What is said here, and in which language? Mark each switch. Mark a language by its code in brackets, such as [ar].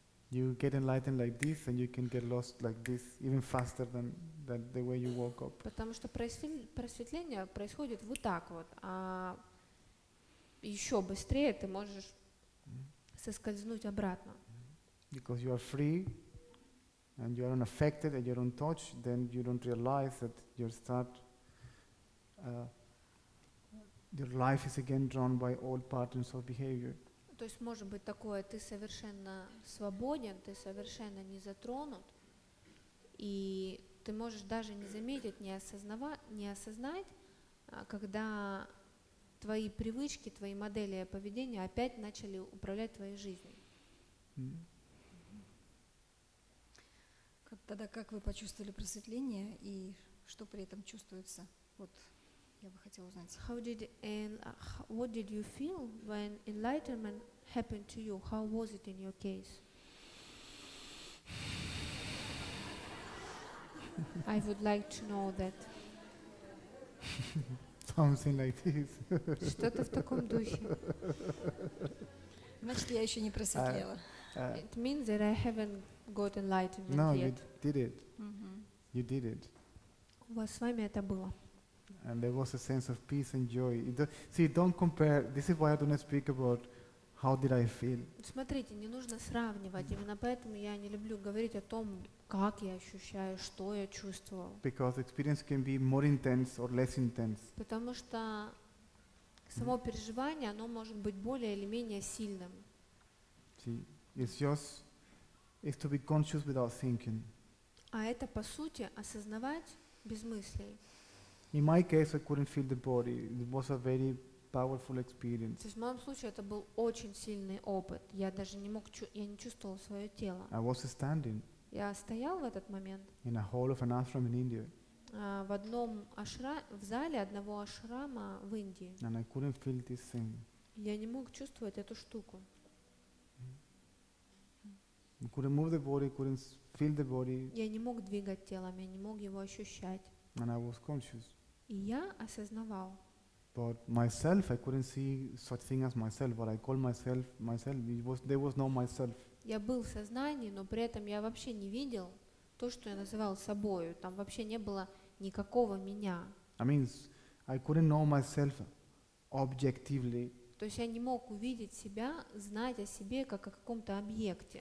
[en] You get enlightened like this, and you can get lost like this even faster than the way you woke up. [ru] Потому что просветление происходит вот так вот, а еще быстрее ты можешь соскользнуть обратно. [en] Because you are free, and you are unaffected, and you don't touch, then you don't realize that your life is again drawn by old patterns of behavior. [ru] То есть может быть такое, ты совершенно свободен, ты совершенно не затронут, и ты можешь даже не заметить, не осознать, когда твои привычки, твои модели поведения опять начали управлять твоей жизнью. Как вы почувствовали просветление и что при этом чувствуется? Вот Я бы хотела узнать. [en] How did what did you feel when enlightenment happened to you? How was it in your case? I would like to know that. Something like this. Что-то в таком духе. [ru] Значит, я еще не просветлела. [en] It means that I haven't got enlightenment no, yet. No, you did it. Mm-hmm. You did it. [ru] У вас с вами это было. [en] And there was a sense of peace and joy. See, don't compare. This is why I don't speak about how did I feel. [ru] Смотрите, не нужно сравнивать. Именно поэтому я не люблю говорить о том, как я ощущаю, что я чувствовал. [en] Because experience can be more intense or less intense. [ru] Потому что само переживание, оно может быть более или менее сильным. [en] See, it's just it's to be conscious without thinking. [ru] А это по сути осознавать без мыслей. [en] In my case, I couldn't feel the body. It was a very powerful experience. [ru] То есть в моем случае это был очень сильный опыт. Я даже не мог, я не чувствовал свое тело. [en] I was standing. [ru] Я стоял в этот момент. [en] In a hall of an ashram in India. [ru] В одном в зале одного ашрама в Индии. [en] And I couldn't feel this thing. [ru] Я не мог чувствовать эту штуку. [en] I couldn't move the body, couldn't feel the body. [ru] Я не мог двигать телом, я не мог его ощущать. [en] And I was conscious. [ru] И я осознавал. [en] But myself, I couldn't see such thing as myself. But I call myself myself. It was there was no myself. [ru] Я был в сознании, но при этом я вообще не видел то, что я называл собою. Там вообще не было никакого меня. [en] I mean, I couldn't know myself objectively. [ru] То есть я не мог увидеть себя, знать о себе как о каком-то объекте.